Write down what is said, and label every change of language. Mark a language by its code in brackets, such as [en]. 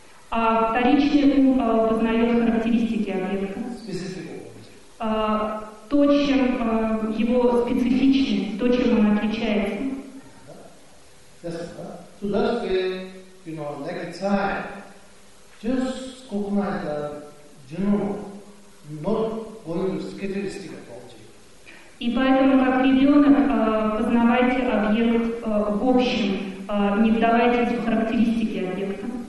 [ru] А вторичный ум познает характеристики объекта. То, чем его специфичнее, то, чем он отличается. [en] So that's where, you know, like a child, just recognize the general, not going to scattering apology. [ru] И поэтому, как ребенок, познавайте объект в общем, не вдавайтесь в характеристики объекта.